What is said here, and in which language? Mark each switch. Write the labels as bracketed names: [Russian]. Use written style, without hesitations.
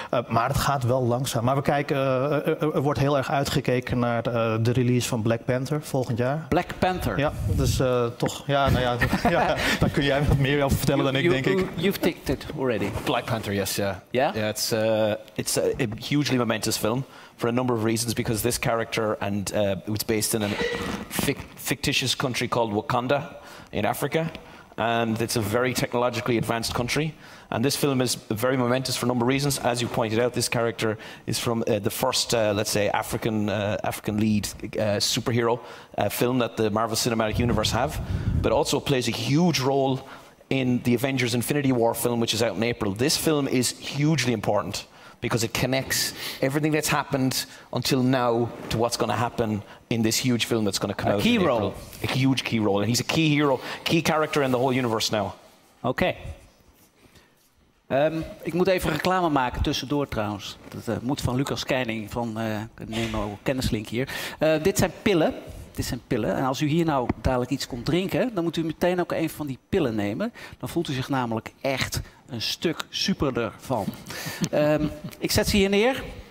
[Dutch] Maar het gaat wel langzaam. Maar we kijken, er wordt heel erg uitgekeken naar de release van Black Panther volgend jaar. Black Panther? Ja, dus toch. Ja, nou ja, ja, daar kun jij meer over vertellen dan ik. [English] You've ticked it already. Black Panther, yes, yeah. Yeah? Yeah, it's a hugely momentous film for a number of reasons, because this character, and it's based in a fictitious country called Wakanda in Africa. and it's a very technologically advanced country. And this film is very momentous for a number of reasons. As you pointed out, this character is from the first, let's say, African lead superhero film that the Marvel Cinematic Universe have, but also plays a huge role in the Avengers Infinity War film, which is out in April. This film is hugely important because it connects everything that's happened until now to what's going to happen in this huge film that's going to come out. A key role. A huge key role. And he's a key hero, key character in the whole universe now. Okay. [Dutch] Ik moet even reclame maken tussendoor trouwens. Dat moet van Lucas Keining van Nemo Kennislink hier. Dit zijn pillen. Dit zijn pillen. En als u hier nou dadelijk iets komt drinken, dan moet u meteen ook een van die pillen nemen. Dan voelt u zich namelijk echt een stuk superder van. Ik zet ze hier neer.